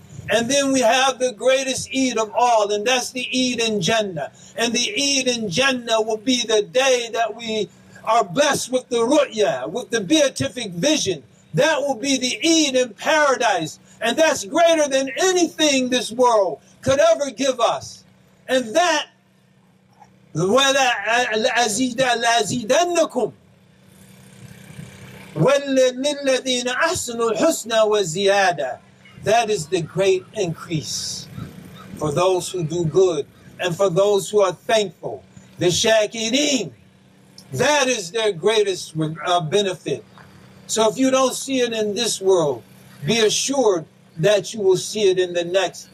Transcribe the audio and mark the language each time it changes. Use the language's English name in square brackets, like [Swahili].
[English] And then we have the greatest Eid of all, and that's the Eid in Jannah. And the Eid in Jannah will be the day that we are blessed with the ru'ya, with the beatific vision. That will be the Eid in paradise. And that's greater than anything this world could ever give us. And that, [Arabic] لَأَزِيدَنَّكُمْ وَلِلَّذِينَ أَحْسَنُوا الْحُسْنَى وَزِيَادَةً. [English] That is the great increase for those who do good and for those who are thankful. The shakirin. That is their greatest benefit. So if you don't see it in this world, be assured that you will see it in the next.